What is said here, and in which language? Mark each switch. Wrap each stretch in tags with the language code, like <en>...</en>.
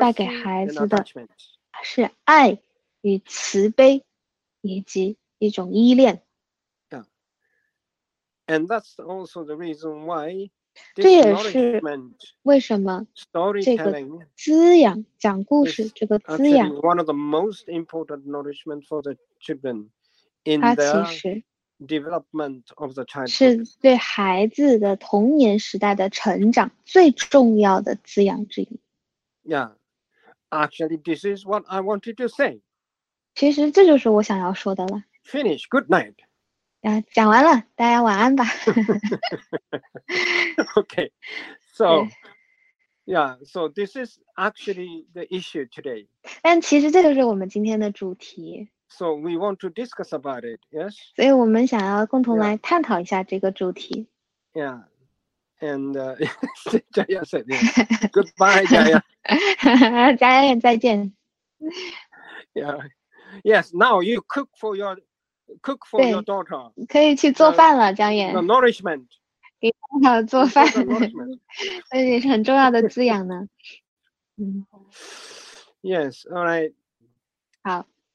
<zh>带给孩子的是爱与慈悲以及一种依恋。</zh> <en>Yeah. And that's also the reason why this</en> <zh>这也是为什么这个滋养讲故事这个滋养</zh> <en>one of the most important nourishment for the children in the development of the child.</en> <zh>是对孩子的童年时代的成长最重要的滋养之一。</zh> <en>Yeah, actually, this is what I wanted to say.</en> <zh>其实这就是我想要说的了。</zh> <en>Finish. Good night.</en> <zh>啊，讲完了，大家晚安吧。</zh> <en>Okay, so. Yeah, so this is actually the issue today.</en> <zh>但其实这就是我们今天的主题。</zh> <en>So we want to discuss about it, yes?</en> <zh>所以我们想要共同来探讨一下这个主题。</zh> <en>Yeah, and Jaya said, yeah. Goodbye, Jaya.</en> <zh>Jaya, 再见。</zh> <en>Yeah, yes, now you cook for your daughter.</en> <zh>可以去做饭了，Jaya.</zh> <en>The nourishment.</en> <zh>给爸爸做饭，那也是很重要的滋养呢。</zh> <en>Yes, all right.</en> <zh>好。</zh>